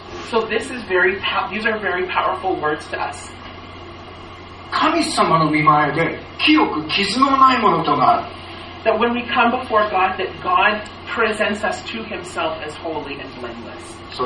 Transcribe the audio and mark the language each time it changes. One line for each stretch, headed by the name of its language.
English: So this is very these are very powerful words to us.
Japanese: 神様の御前で清く傷のないものとなる。
English: That when we come before God, that God presents us to Himself as holy and blameless.